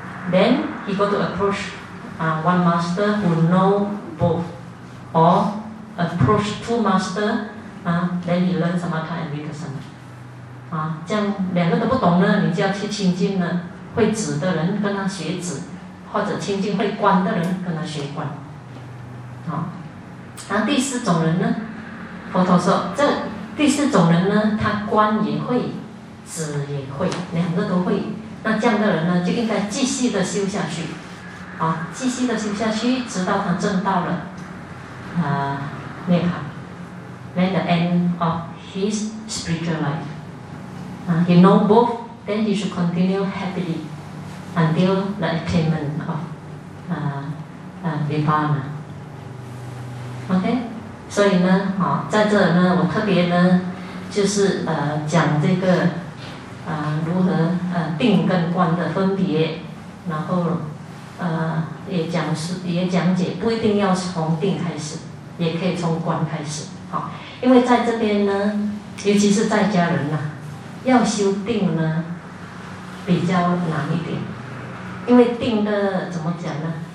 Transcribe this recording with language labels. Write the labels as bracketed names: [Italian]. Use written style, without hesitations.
[English] Then he got to approach one master who know both, or approach two master. Then he learn samatha and vipassana. [Chinese] 这样两个都不懂呢，你就要去亲近呢会止的人跟他学止，或者亲近会观的人跟他学观。然后第四种人呢？佛陀说，这第四种人呢，他观也会，止也会，两个都会。那这样的人呢，就应该继续的修下去，继续的修下去，直到他证到了，涅槃 ， [English] then the end of his spiritual life. He know both, then he should continue happily until the attainment of nirvana. Okay. [Chinese] 所以呢，在这呢，我特别呢，就是讲这个如何定跟观的分别，然后也讲解，不一定要从定开始，也可以从观开始，因为在这边呢，尤其是在家人呐，要修定呢比较难一点，因为定的怎么讲呢？